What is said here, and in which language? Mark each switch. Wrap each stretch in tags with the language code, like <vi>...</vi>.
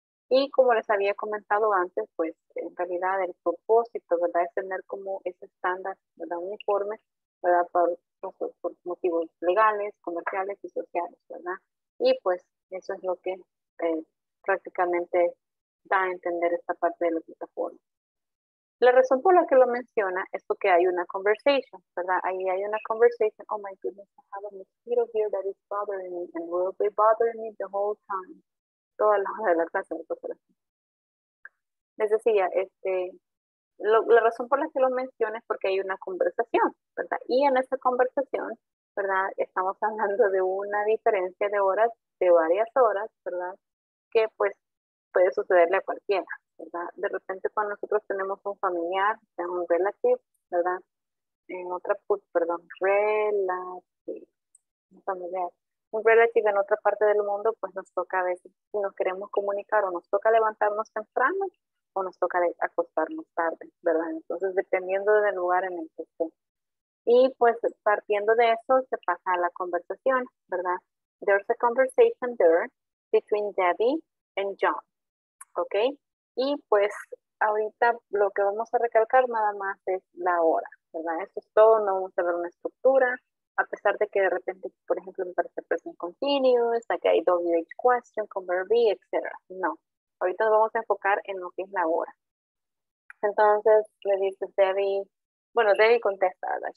<es>Y como les había comentado antes, pues en realidad el propósito, ¿verdad?, es tener como ese estándar, ¿verdad?, uniforme, ¿verdad?, por motivos legales, comerciales y sociales, ¿verdad? Y pues eso es lo que prácticamente da a entender esta parte de la plataforma. La razón por la que lo menciona es porque hay una conversation, ¿verdad? Ahí hay una conversation.</es> <en>Oh my goodness, I have a mosquito here that is bothering me and will be bothering me the whole time.</en> <es>Toda la hora de la clase. Les decía, La razón por la que lo menciono es porque hay una conversación, ¿verdad? Y en esa conversación, ¿verdad? Estamos hablando de una diferencia de horas, de varias horas, ¿verdad? Que pues puede sucederle a cualquiera, ¿verdad? De repente cuando nosotros tenemos un familiar, sea un relative, ¿verdad? En otra, pues, perdón, relative, un familiar. Un relative en otra parte del mundo, pues nos toca a veces, si nos queremos comunicar, o nos toca levantarnos temprano, o nos toca acostarnos tarde, ¿verdad? Entonces, dependiendo del lugar en el que esté. Y pues, partiendo de eso, se pasa a la conversación, ¿verdad?</es> <en>There's a conversation there between Debbie and John, ¿ok?</en> <es>Y pues, ahorita lo que vamos a recalcar nada más es la hora, ¿verdad? Eso es todo, no vamos a ver una estructura, a pesar de que de repente, por ejemplo, me parece present continuous, aquí hay WH question, con verb be, etc. No. Ahorita nos vamos a enfocar en lo que es la hora. Entonces, le dice Debbie, bueno, Debbie contesta, ¿verdad?</es>